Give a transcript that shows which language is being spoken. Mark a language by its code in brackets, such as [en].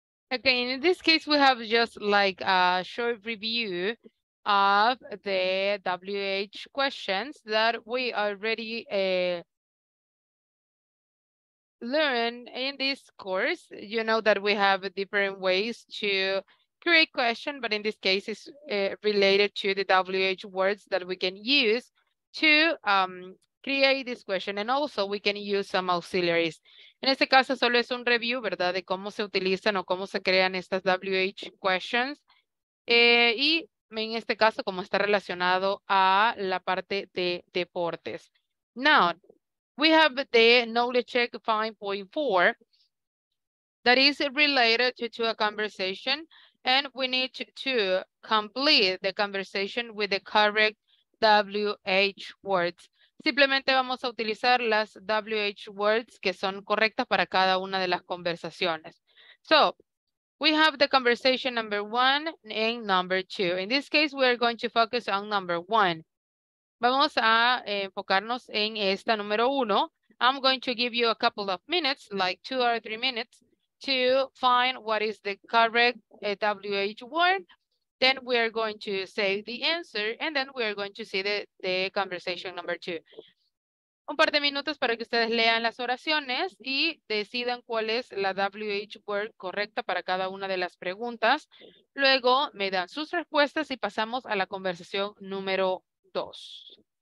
[en] Okay, in this case, we have just like a short review of the WH questions that we already learned in this course. You know that we have different ways to create question, but in this case, it's related to the WH words that we can use to create this question, and also we can use some auxiliaries. [es] En este caso, solo es un review, ¿verdad?, de cómo se utilizan o cómo se crean estas WH questions, y en este caso, cómo está relacionado a la parte de deportes. [en] Now, we have the knowledge check 5.4 that is related to a conversation, and we need to complete the conversation with the correct WH words. [es] Simplemente vamos a utilizar las WH words que son correctas para cada una de las conversaciones. [en] So, we have the conversation number one and number two. In this case, we are going to focus on number one. [es] Vamos a enfocarnos en esta número uno. [en] I'm going to give you a couple of minutes, like 2 or 3 minutes, to find what is the correct WH word. Then we are going to say the answer, and then we are going to see the conversation number two. [es] un par de minutos para que ustedes lean las oraciones y decidan cuál es la WH word correcta para cada una de las preguntas. Luego me dan sus respuestas y pasamos a la conversación número 2.